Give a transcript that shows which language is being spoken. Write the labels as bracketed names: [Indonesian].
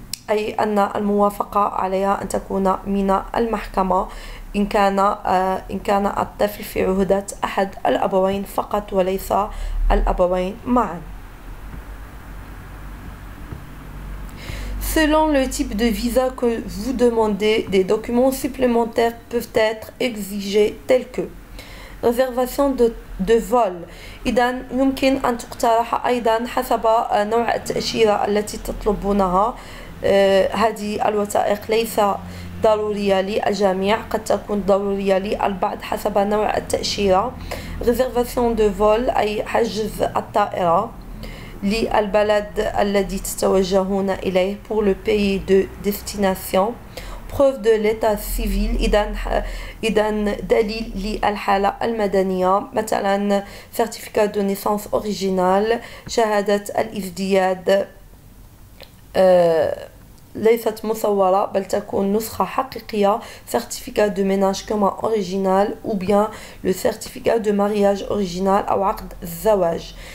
[Arabic] أي أن الموافقة عليها أن تكون من المحكمة إن كان الطفل في عهدة أحد الأبوين فقط وليس الأبوين معا. [French] Selon le type de visa que vous demandez, des documents supplémentaires peuvent être exigés tels que réservation de vol. [Arabic] إذن يمكن أن تقترح أيضا حسب نوع التأشيرة التي تطلبونها. هذه الوثائق ليس ضرورية للجميع، قد تكون ضرورية للبعض حسب نوع التأشيرة. réservation de vol أي حجز الطائرة. للبلد الذي تتوجهون إليه [French] pour le pays de destination preuve de l'état civil [Arabic] إذن دليل للحالة المدنية مثلا [French] certificat de naissance original [Arabic] شهادة الإزدياد ليست مصورة بل تكون نسخة حقيقية [French] certificat de ménage commun original ou bien le certificat de mariage original [Arabic] أو عقد الزواج.